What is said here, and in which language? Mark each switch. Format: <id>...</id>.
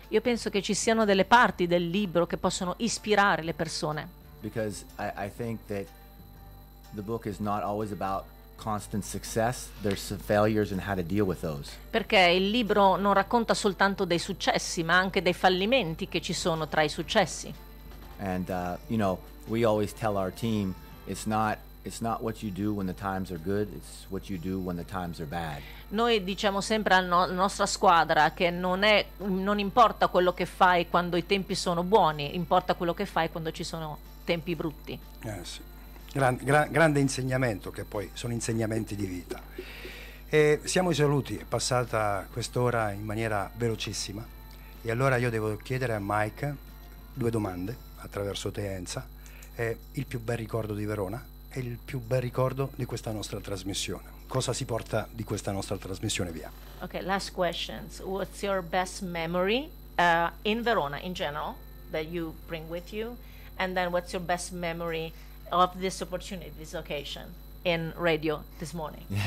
<it>Io penso che ci siano delle parti del libro che possono ispirare le persone.</it> <en>Because I think that the book is not always about constant success. There's some failures and how to deal with those.</en> <it>Perché il libro non racconta soltanto dei successi, ma anche dei fallimenti che ci sono tra i successi.</it> <en>And we always tell our team, it's not what you do when the times are good, it's what you do when the times are bad.</en> <it>Noi diciamo sempre alla nostra squadra che non importa quello che fai quando i tempi sono buoni, importa quello che fai quando ci sono tempi brutti.</it> <en>Yes.</en> <it>grande insegnamento, che poi sono insegnamenti di vita. E siamo ai saluti, è passata quest'ora in maniera velocissima, e allora io devo chiedere a Mike due domande attraverso te, Enza. Il più bel ricordo di Verona e il più bel ricordo di questa nostra trasmissione. Cosa si porta di questa nostra trasmissione via?</it> <en>Ok, last questions. What's your best memory in Verona in general that you bring with you? And then what's your best memory of this opportunity, this occasion in radio this morning?</en>